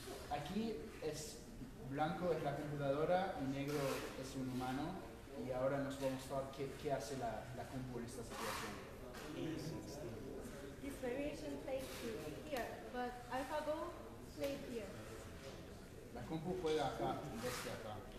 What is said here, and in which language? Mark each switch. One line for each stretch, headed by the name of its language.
Spanish: Aquí es blanco es la computadora y negro es un humano. Y ahora nos va a mostrar qué hace la compu en esta situación.
English: This variation plays here, but AlphaGo played here.
Spanish: La compu juega acá, en vez de acá.